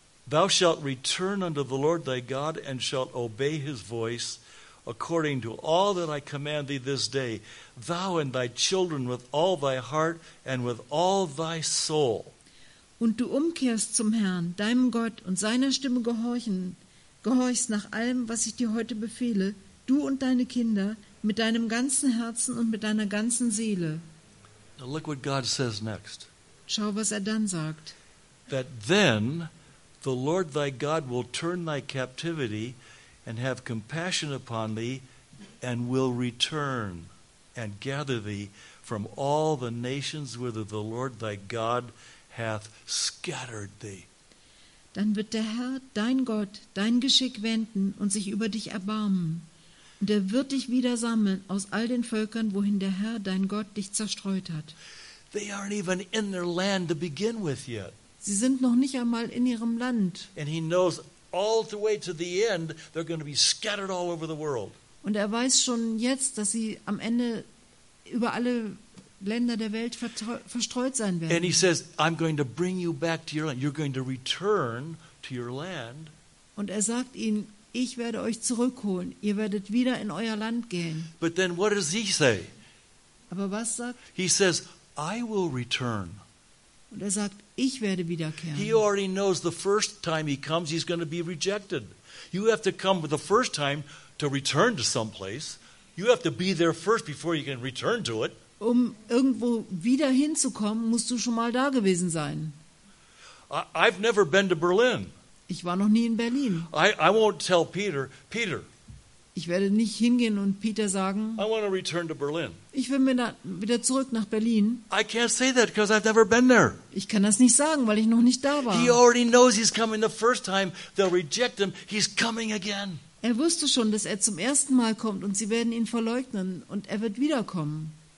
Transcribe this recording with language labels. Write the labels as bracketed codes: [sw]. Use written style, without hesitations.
[en] Thou shalt return unto the Lord thy God and shalt obey his voice according to all that I command thee this day, thou and thy children with all thy heart and with all thy soul. [de] Und du umkehrst zum Herrn, deinem Gott, und seiner Stimme gehorchst nach allem, was ich dir heute befehle, du und deine Kinder, mit deinem ganzen Herzen und mit deiner ganzen Seele. [en] Now look what God says next. [de] Schau, was er dann sagt. [en] That then the Lord thy God will turn thy captivity and have compassion upon thee and will return and gather thee from all the nations whither the Lord thy God hath scattered thee. [de] Dann wird der Herr, dein Gott, dein Geschick wenden und sich über dich erbarmen. Und er wird dich wieder sammeln aus all den Völkern, wohin der Herr, dein Gott, dich zerstreut hat. [en] They aren't even in their land to begin with yet. [de] Sie sind noch nicht einmal in ihrem Land. [en] And he knows all the way to the end, they're going to be scattered all over the world. [de] Und er weiß schon jetzt, dass sie am Ende über alle Länder der Welt verstreut sein werden. [en] And he says, I'm going to bring you back to your land. You're going to return to your land. [de] Und er sagt ihnen, ich werde euch zurückholen. Ihr werdet wieder in euer Land gehen. [en] But then what does he say? [de] Aber was sagt? [en] He says, I will return. [de] Und er sagt, ich werde wiederkehren. [en] He already knows the first time he comes, he's going to be rejected. You have to come the first time to return to some place. You have to be there first before you can return to it. [de] Um irgendwo wieder hinzukommen, musst du schon mal da gewesen sein. [en] I've never been to Berlin. [de] Ich war noch nie in Berlin. [en] I won't tell Peter. [de] Ich werde nicht hingehen und Peter sagen, [en] I want to return to Berlin. [de] Ich will wieder zurück nach Berlin. [en] I can't say that because I've never been there. [de] Ich kann das nicht sagen, weil ich noch nicht da war. [en] He already knows he's coming the first time. They'll reject him. He's coming again. [de] Er wusste schon, dass er zum ersten Mal kommt und sie werden ihn verleugnen und er wird wiederkommen.